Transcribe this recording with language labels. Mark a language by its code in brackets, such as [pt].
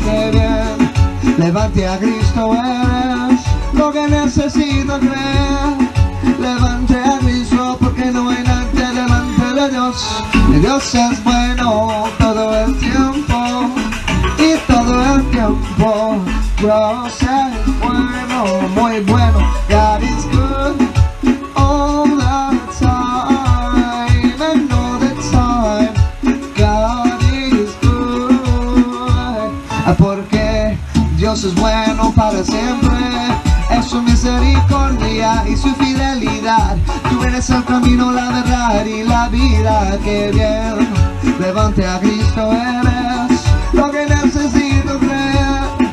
[es] ¿Qué bien? Levante a Cristo eres lo que necesito creer. Levante a Cristo porque no hay nadie delante de Dios. Dios es bueno todo el tiempo, y todo el tiempo Dios es bueno, muy bueno. [en] God is good all the time, and all the time God is good. [es] Porque Dios es bueno para siempre, es su misericordia y su fidelidad. Tú eres el camino, la verdad y la vida. Qué bien, levante a Cristo eres lo que necesito creer.